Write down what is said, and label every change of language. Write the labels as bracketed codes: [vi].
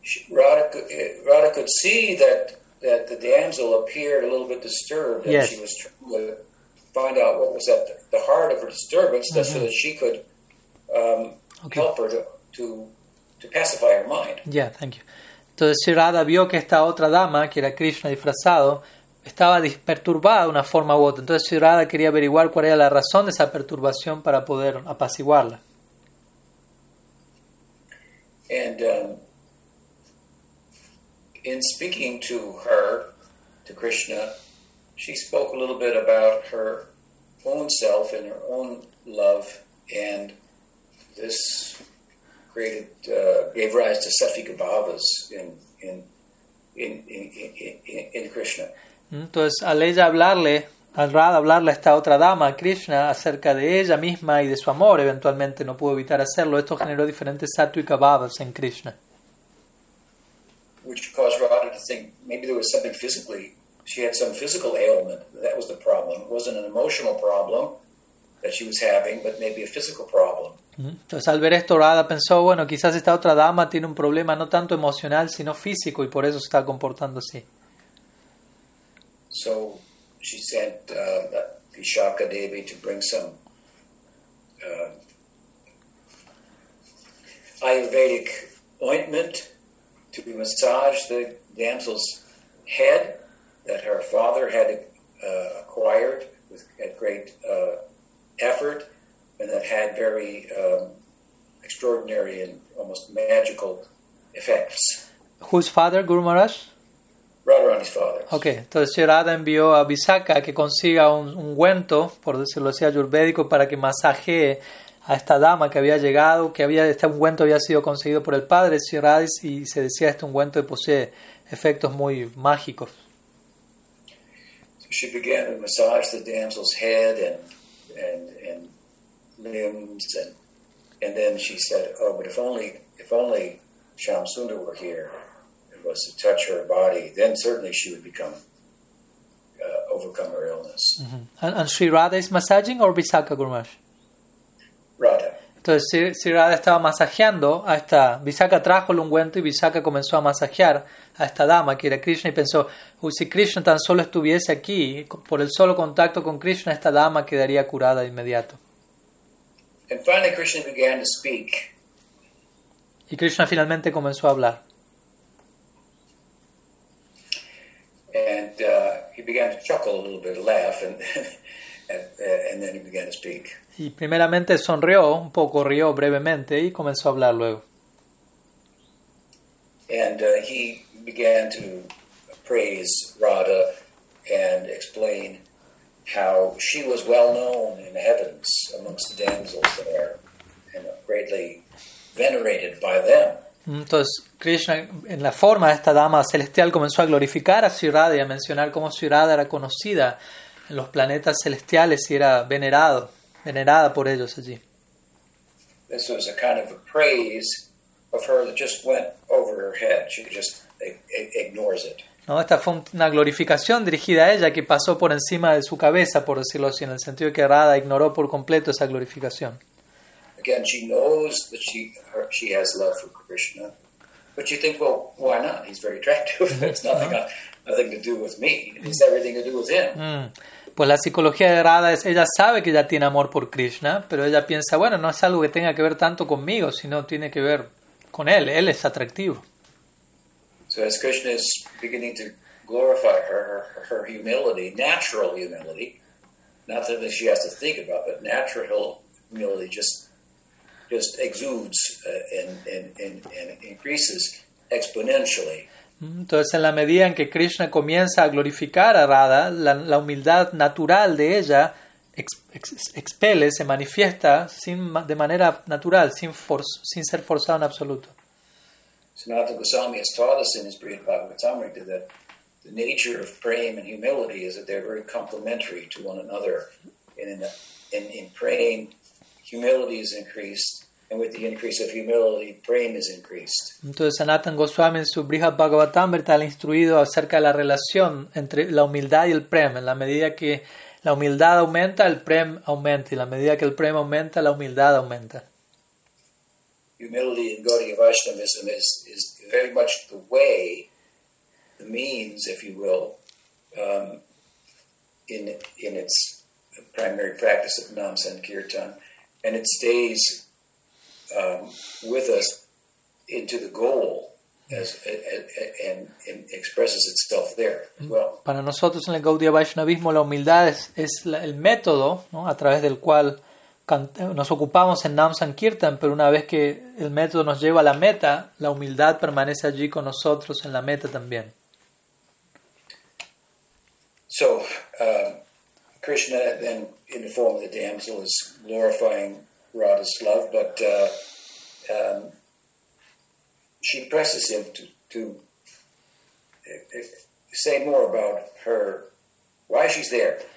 [en] Radha could see that the damsel appeared a little bit disturbed, and yes, she was trying to find out what was at the heart of her disturbance, mm-hmm, so that she could help her to pacify her mind. Yeah, thank you. [es] Entonces Radha vio que esta otra dama, que era Krishna disfrazado, estaba perturbada de una forma u otra. Entonces Radha quería averiguar cuál era la razón de esa perturbación para poder apaciguarla. [en] And in speaking to her, to Krishna, she spoke a little bit about her own self and her own love, and this gave rise to sattvic bhavas in Krishna. [es] Entonces, al ella hablarle, al Radha hablarle a esta otra dama, a Krishna, acerca de ella misma y de su amor, eventualmente no pudo evitar hacerlo, esto generó diferentes sattvic bhavas en Krishna. [en] Which caused Radha to think maybe there was something physically, she had some physical ailment, that was the problem. It wasn't an emotional problem that she was having, but maybe a physical problem. [es] Entonces al ver esto Radha pensó, bueno, quizás esta otra dama tiene un problema no tanto emocional sino físico y por eso se está comportando así. [en] So she sent Vishakha Devi to bring some Ayurvedic ointment to massage the damsel's head that her father had acquired with at great effort, and that had very extraordinary and almost magical effects. Whose father, Guru Maharaj? Radharani's father. [es] Okay, entonces Radha envió a Vishakha que consiga un ungüento, por decirlo así, ayurvédico, para que masajee a esta dama que había llegado, que había este ungüento había sido conseguido por el padre, Sri Radha, y se decía este ungüento posee efectos muy mágicos. [en] So she began to massage the damsel's head and limbs and then she said, oh, but if only Shamsunda were here and was to touch her body, then certainly she would overcome her illness. Mm-hmm. And Sri Radha is massaging or Vishakha, Guru Maharaj? Radha. [es] Entonces Sri Radha estaba masajeando a esta, Vishakha trajo el ungüento y Vishakha comenzó a masajear a esta dama que era Krishna y pensó, si Krishna tan solo estuviese aquí, por el solo contacto con Krishna, esta dama quedaría curada de inmediato. [en] And finally Krishna began to speak. [es] Y Krishna finalmente comenzó a hablar. [en] And he began to chuckle a little bit, laugh, and then he began to speak. [es] Y primeramente sonrió un poco, rió brevemente y comenzó a hablar luego. [en] And he began to praise Radha and explain how she was well known in the heavens amongst the damsels there, and greatly venerated by them. [es] Entonces Krishna, en la forma de esta dama celestial, comenzó a glorificar a Sri Radha y a mencionar cómo Sri Radha era conocida en los planetas celestiales y era venerada por ellos allí. [en] This was a kind of a praise of her that just went over her head. She just ignores it. [es] No, esta fue una glorificación dirigida a ella que pasó por encima de su cabeza, por decirlo así, en el sentido que Radha ignoró por completo esa glorificación. [en] Again, she knows that she has love for Krishna, but you think, well, why not? He's very attractive. It's nothing to do with me. It's everything to do with him. [es] Pues la psicología de Radha es, ella sabe que ya tiene amor por Krishna, pero ella piensa, bueno, no es algo que tenga que ver tanto conmigo, sino tiene que ver con él. Él es atractivo. [en] So as Krishna is beginning to glorify her humility, natural humility, not that she has to think about, but natural humility just exudes and increases exponentially. [es] Entonces, en la medida en que Krishna comienza a glorificar a Radha, la humildad natural de ella expele, se manifiesta de manera natural, sin ser forzado en absoluto. [en] Sanatana Goswami has taught us in his brief Bhagavatamrita that the nature of praying and humility is that they're very complementary to one another. And in praying, humility is increased. And with the increase of humility, praying is increased. [es] Entonces Sanatana Goswami en su Brihat Bhagavatamrita ha instruido acerca de la relación entre la humildad y el prem. En la medida que la humildad aumenta, el prem aumenta. Y la medida que el prem aumenta, la humildad aumenta. [en] Humility in Gaudiya Vaishnavism is very much the way, the means, if you will, in its primary practice of Nam Sankirtan. And it stays with us into the goal, and expresses itself there as well. [es] Para nosotros en el Gaudiya Vaishnavismo, la humildad es el método, ¿no?, a través del cual nos ocupamos en Nam Sankirtan, pero una vez que el método nos lleva a la meta, la humildad permanece allí con nosotros en la meta también. [en] So, Krishna then in the form of the damsel is glorifying Radha's love, but she presses him to say more about her, why she's there.